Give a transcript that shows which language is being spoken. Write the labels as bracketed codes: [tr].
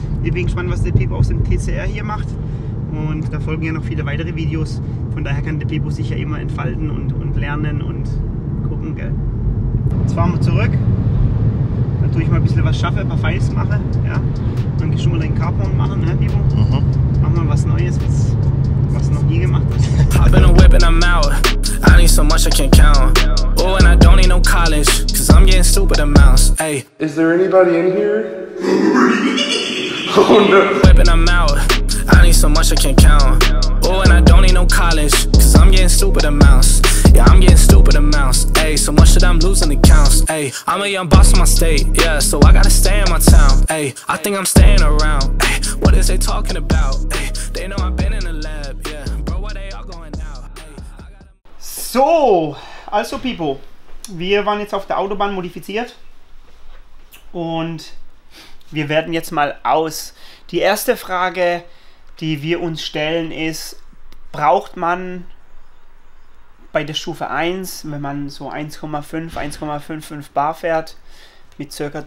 [de] Ich bin gespannt, was der Pipo aus dem TCR hier macht. Und da folgen ja noch viele weitere Videos. Von daher kann der Pipo sich ja immer entfalten und lernen und gucken, gell? Jetzt fahren wir zurück. Dann tue ich mal ein bisschen was schaffe, ein paar Files mache. Ja. Dann gehst du mal deinen Carbon machen, ne, Pipo? Mhm. Mach mal was Neues, was noch nie gemacht hast. [en] I've been a whip and I'm out. I need so much I can count. Oh, and I don't need no college. Cause I'm getting stupid amounts. Ey. Is there anybody in here? Oh no. Whip and I'm out. I need so much I can count. Oh, and I don't need no college. Cause I'm getting stupid amounts. Yeah, I'm getting stupid amounts. Ay, so much that I'm losing the counts. Ay, I'm a young boss in my state. Yeah, so I gotta stay in my town. Ay, I think I'm staying around. Ay, what is they talking about? Ay, they know I've been in the lab. Yeah, bro, why they all going out? Ay, I gotta... [de] So, also Pipo, wir waren jetzt auf der Autobahn modifiziert. Und wir werden jetzt mal aus. Die erste Frage, die wir uns stellen, ist, braucht man bei der Stufe 1, wenn man so 1,5, 1,55 bar fährt, mit ca.